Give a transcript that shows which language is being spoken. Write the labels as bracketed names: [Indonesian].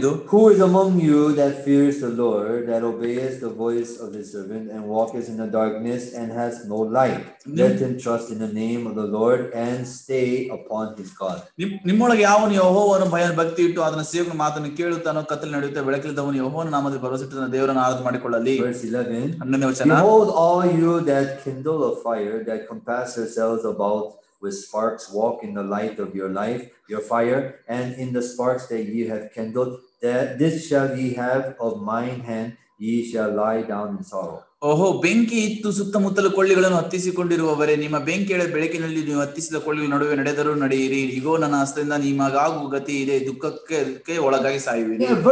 [English] Who is among you that fears the Lord, that obeys the voice of his servant, and walketh in the darkness and has no light? Let him trust in the name of the Lord and stay upon his God. [Kannada] ನಿಮ್ಮೊಳಗೆ ಯಾವನು ಯೆಹೋವನು ಭಯನ ಭಕ್ತಿ ಇಟ್ಟು ಅದನ್ನ ಸೇವನ ಮಾತನ್ನು ಕೇಳುತ್ತಾನೋ ಕತ್ತಲೆ ನಡೆಯುತ್ತೆ ಬೆಳಕಿಲ್ಲದವನು ಯೆಹೋವನು ನಾಮದ ಭರವಸೆ ಇಟ್ಟು ತನ್ನ ದೇವರನ್ನು ಆರಾಧನೆ ಮಾಡಿಕೊಳ್ಳಲಿ. [English] Verse 11. [Kannada] 11ನೇ ವಚನ. [English] Behold, all you that kindle a fire, that compass yourselves about with sparks, walk in the light of your life, your fire, and in the sparks that ye have kindled, that this shall ye have of mine hand, ye shall lie down in sorrow. [Kannada] ಓಹೋ, ಬೆಂಕಿ ಇತ್ತು ಸುತ್ತಮುತ್ತಲು ಕೊಳ್ಳಿಗಳನ್ನು ಹತ್ತಿಸಿಕೊಂಡಿರುವವರೇ, ನಿಮ್ಮ ಬೆಂಕಿಯ ಬೆಳಕಿನಲ್ಲಿ ನೀವು ಹತ್ತಿಸಿದ ಕೊಳ್ಳಿಗಳ ನಡುವೆ ನಡೆದರೂ ನಡೆಯಿರಿ. ಇಗೋ ನನ್ನ ಹಸ್ತದಿಂದ ನಿಮಗಾಗುವ ಗತಿ ಇದೆ, ದುಃಖಕ್ಕೆ ಒಳಗಾಗಿ ಸಾಯುವಿರಿ.